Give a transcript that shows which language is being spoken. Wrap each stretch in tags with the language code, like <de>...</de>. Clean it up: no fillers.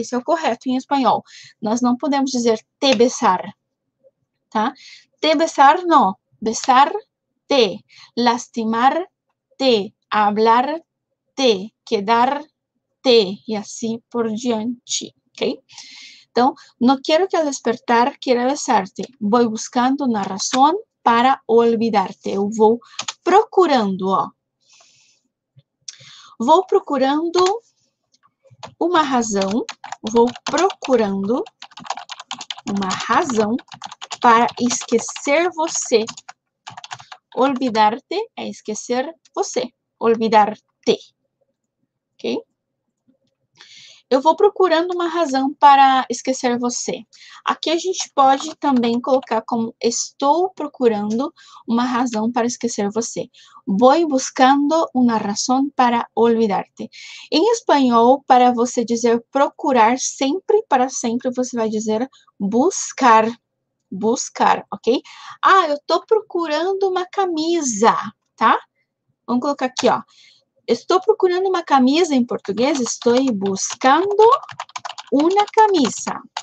<pt>Esse é o correto em espanhol. Nós não podemos dizer te besar, tá?</pt> <es>Te besar, no. Besar, te. Lastimar, te. Hablar, te. Quedar, te.</es> <pt>E assim por diante, ok? Então, não quero que</pt> <es>al despertar</es> <pt>queira besarte.</pt> <es>Voy buscando una razón para olvidarte.</es> <pt>Eu vou procurando, ó. Vou procurando uma razão. Vou procurando uma razão para esquecer você. Olvidarte é esquecer você. Olvidarte. Ok? Eu vou procurando uma razão para esquecer você. Aqui a gente pode também colocar como estou procurando uma razão para esquecer você.</pt> <es>Voy buscando una razón para olvidarte.</es> <pt>Em espanhol, para você dizer procurar sempre, para sempre, você vai dizer buscar. Buscar, ok? Ah, eu tô procurando uma camisa, tá? Vamos colocar aqui, ó. Estou procurando uma camisa em português. Estou buscando uma camisa.</pt>